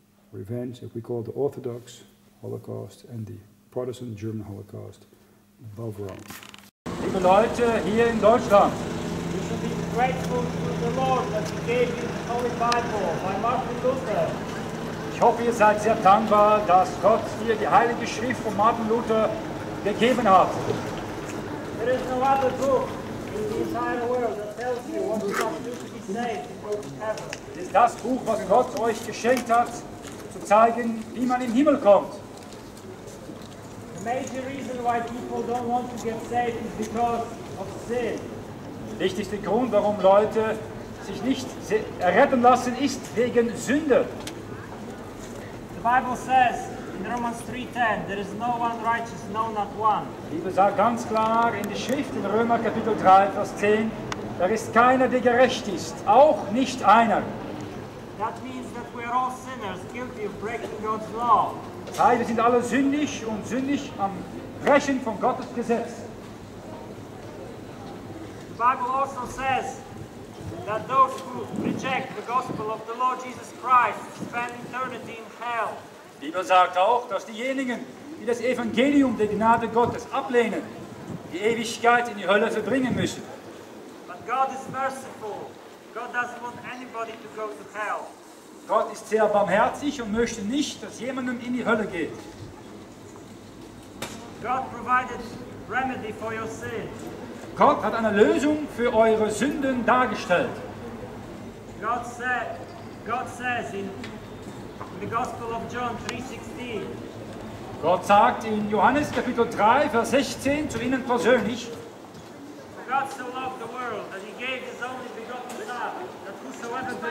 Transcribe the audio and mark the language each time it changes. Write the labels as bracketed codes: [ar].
[en] Revenge, if we call the Orthodox Holocaust and the Protestant German Holocaust, above Rome. [de] Liebe Leute hier in Deutschland, [en] you should be grateful to the Lord that he gave you the Holy Bible by Martin Luther. [de] Ich hoffe, ihr seid sehr dankbar, dass Gott dir die Heilige Schrift von Martin Luther gegeben hat. [en] There is no other book in the entire world that tells you what you have to do to be saved before heaven. [de] Ist das Buch, was Gott euch geschenkt hat, zu zeigen, wie man im Himmel kommt. [en] The major reason why people don't want to get saved is because of sin. [de] Wichtigste Grund, warum Leute sich nicht erretten lassen, ist wegen Sünde. [en] The Bible says in Romans 3:10, there is no one righteous, no not one. [de] Die Bibel sagt ganz klar in der Schrift in Römer Kapitel 3, Vers 10, da ist keiner, der gerecht ist, auch nicht einer. [en] That means that we are all sinners, guilty of breaking God's law. [de] Hey, wir sind alle sündig und sündig am Brechen von Gottes Gesetz. [en] The Bible also says that those who reject the gospel of the Lord Jesus Christ spend eternity in hell. [de] Die Bibel sagt auch, dass diejenigen, die das Evangelium der Gnade Gottes ablehnen, die Ewigkeit in die Hölle verbringen müssen. [en] But God is merciful. God doesn't want anybody to go to hell. [de] Gott ist sehr barmherzig und möchte nicht, dass jemandem in die Hölle geht. [en] God provided remedy for your sin. [de] Gott hat eine Lösung für eure Sünden dargestellt. [en] God says in the Gospel of John 3:16. [de] Gott sagt in Johannes Kapitel 3, Vers 16 zu ihnen persönlich. [en] For God so loved the world that he gave his only begotten Son.